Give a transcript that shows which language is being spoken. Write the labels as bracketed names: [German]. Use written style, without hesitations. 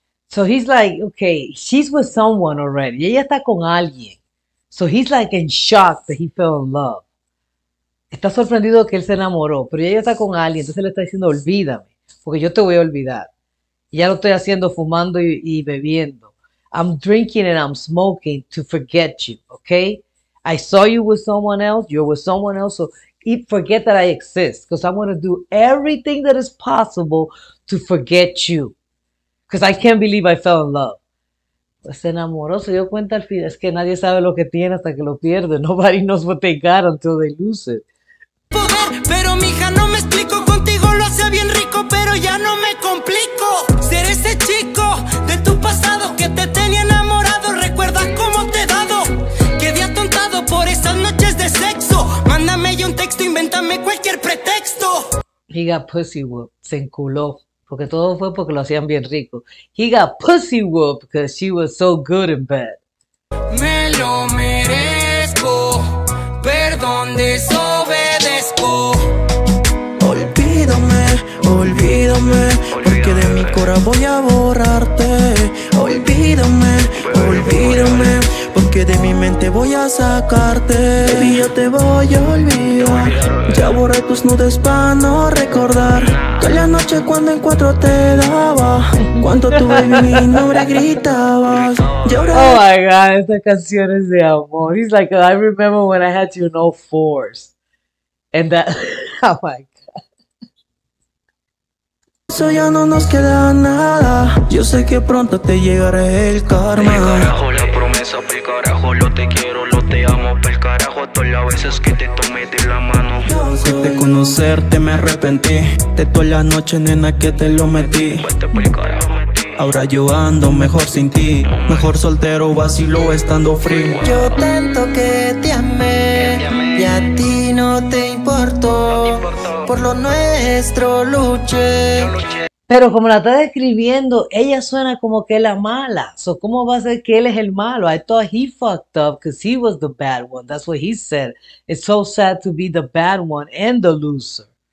[English] So he's like, okay, she's with someone already. [Spanish] Ella está con alguien. [English] So he's like in shock that he fell in love. [Spanish] Está sorprendido que él se enamoró, pero ella está con alguien. Entonces le está diciendo, olvídame, porque yo te voy a olvidar. Ya lo estoy haciendo fumando y bebiendo. [English] I'm drinking and I'm smoking to forget you, okay? I saw you with someone else, you're with someone else, so forget that I exist, because I'm going to do everything that is possible to forget you, because I can't believe I fell in love. [Spanish] Pues se enamoró, se dio cuenta al fin. Es que nadie sabe lo que tiene hasta que lo pierde. [English] Nobody knows what they got until they lose it. [Spanish] Poder, pero mija, no me explico. Contigo lo hace bien rico, pero ya no me complico. Ser ese chico de tu pasado que te tenía enamorado. Recuerda cómo te he dado. Quedé atontado por esas noches de sexo. Mándame yo un texto, invéntame cualquier pretexto. [English] He got pussy whooped, [Spanish] se enculó. Porque todo fue porque lo hacían bien rico. [English] He got pussy whooped because she was so good in bed. [Spanish] Me lo merezco, perdón, desobedezco. Olvídame, olvídame, porque de mi corazón voy a borrarte. Olvídame, olvídame, porque de mi mente voy a sacarte. Baby, ya te voy a olvidar. Ya borré tus nudes pa' no recordar. Toda la noche cuando en cuatro te daba. Cuando tu baby mi nombre gritabas. [English] Oh my God, [Spanish] esta canción es de amor. [English] He's like, I remember when I had you in 04s. And that, oh my God. [Spanish] Eso ya no nos queda nada. Yo sé que pronto te llegará el karma. Pícara, jola, promesa, pícara, jola. te quiero, lo te amo. Pa'l carajo todas las veces que te tomé de la mano. Si de conocerte me arrepentí, de todas las noches, nena, que te lo metí. Vete pa'l carajo. Ahora yo ando mejor sin ti, mejor soltero, vacilo estando frío. Yo tanto que te amé, y a ti no te importó, por lo nuestro luché. Pero como la está describiendo, ella suena como que es la mala. So, ¿cómo va a ser que él es el malo? [English] I thought he fucked up because he was the bad one. That's what he said. It's so sad to be the bad one and the loser.